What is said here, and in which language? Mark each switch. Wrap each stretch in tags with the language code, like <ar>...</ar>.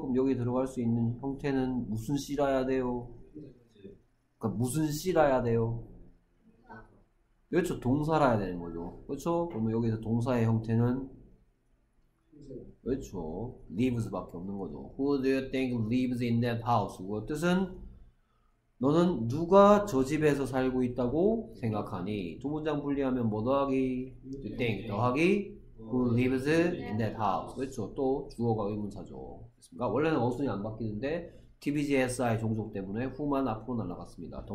<ko>그럼 여기 들어갈 수 있는 형태는 무슨 씨라야 돼요? 그러니까 무슨 씨라야 돼요? 그렇죠? 동사라야 되는 거죠. 그렇죠? 그럼 여기서 동사의 형태는 그렇죠? leaves밖에 없는 거죠.</ko> <en>Who do you think lives in that house?</en> <ko>그 뜻은 너는 누가 저 집에서 살고 있다고 생각하니? 두 문장 분리하면 뭐 더하기?</ko> <en>Do you think 더하기? Who lives in that house?</en> <ko>그렇죠. 또 주어가 의문사죠. 그러니까 원래는 어순이 안 바뀌는데 TBGSI 종속 때문에 후만 앞으로 날아갔습니다.</ko>